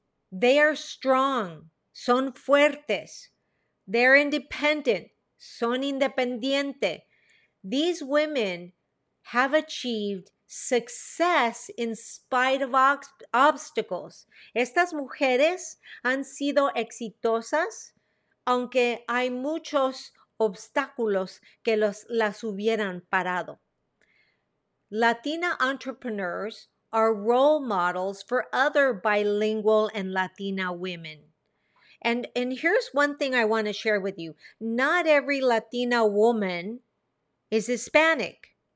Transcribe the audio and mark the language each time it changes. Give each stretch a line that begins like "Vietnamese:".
English: They are strong,
Spanish: son fuertes,
English: they're independent,
Spanish: son independiente.
English: These women have achieved success in spite of obstacles.
Spanish: Estas mujeres han sido exitosas, aunque hay muchos obstáculos que las hubieran parado.
English: Latina entrepreneurs are role models for other bilingual and Latina women. And here's one thing I want to share with you. Not every Latina woman is Hispanic.